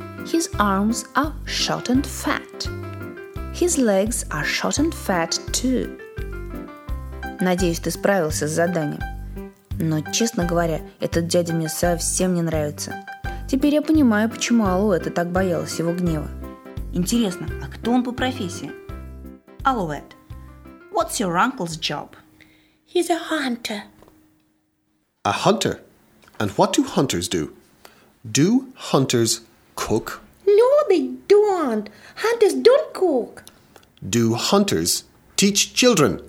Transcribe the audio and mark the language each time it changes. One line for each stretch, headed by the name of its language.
English: His arms are short and fat. His legs are short and fat too.
Russian: Надеюсь, ты справился с заданием. Но, честно говоря, этот дядя мне совсем не нравится. Теперь я понимаю, почему Алуэта так боялась его гнева. Интересно, а кто он по профессии?
English: Алуэт, what's your uncle's job? He's a hunter. A hunter? And what do hunters do? Do hunters cook? No, they don't. Hunters don't cook. Do hunters teach children?